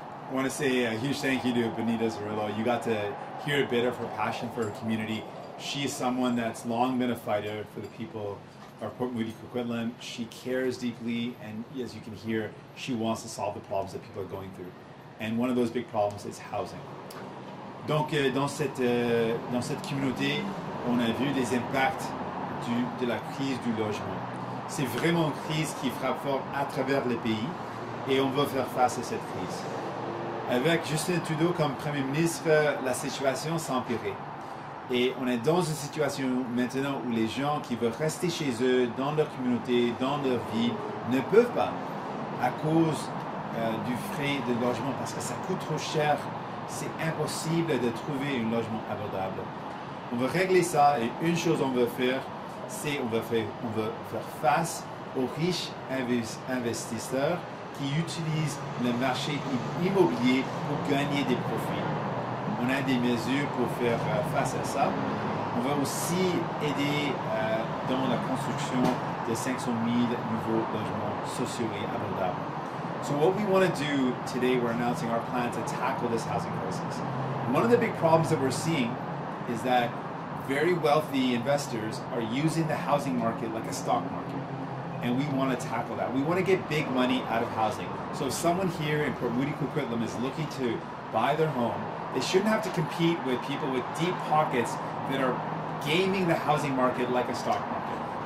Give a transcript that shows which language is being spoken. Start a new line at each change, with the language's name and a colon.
English: I want to say a huge thank you to Benita Zarillo. You got to hear a bit of her passion for her community. She is someone that's long been a fighter for the people of Port Moody, Coquitlam. She cares deeply, and as you can hear, she wants to solve the problems that people are going through. And one of those big problems is housing.
French: Donc, dans cette communauté, on a vu les impacts de la crise du logement. C'est vraiment une crise qui frappe fort à travers le pays, et on veut faire face à cette crise. Avec Justin Trudeau comme Premier ministre, la situation s'est empirée. Et on est dans une situation maintenant où les gens qui veulent rester chez eux, dans leur communauté, dans leur vie, ne peuvent pas à cause du frais de logement parce que ça coûte trop cher. C'est impossible de trouver un logement abordable. On veut régler ça et une chose on veut faire, c'est on veut faire face aux riches investisseurs qui utilisent le marché immobilier pour gagner des profits. On a des mesures pour faire face à ça. On va aussi aider dans la construction de 500 000 nouveaux logements sociaux et abordables.
English: So what we want to do today, we're announcing our plan to tackle this housing crisis. One of the big problems that we're seeing is that very wealthy investors are using the housing market like a stock market. And we want to tackle that. We want to get big money out of housing. So if someone here in Port Moody, Coquitlam is looking to buy their home, they shouldn't have to compete with people with deep pockets that are gaming the housing market like a stock market.